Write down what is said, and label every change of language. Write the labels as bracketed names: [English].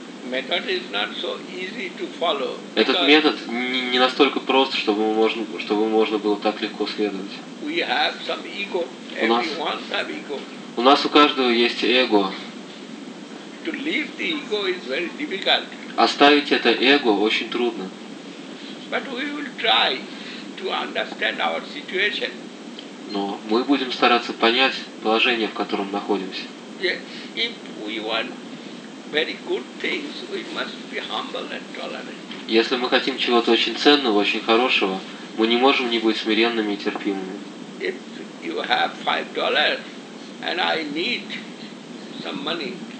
[English] Method is not so easy to follow. [Russian] Этот метод не настолько прост, чтобы можно было так легко следовать. [English] We have some ego. Everyone have ego. [Russian] У нас у каждого есть эго. [English] To leave the ego is very difficult. [Russian] Оставить это эго очень трудно. [English] But we will try to understand our situation. [Russian] Но мы будем стараться понять положение, в котором находимся. [English] Yes, if we want very good things, we must be humble and tolerant. [Russian] Если мы хотим чего-то очень ценного, очень хорошего, мы не можем не быть смиренными и терпимыми. [English] If you have $5 and I need some money.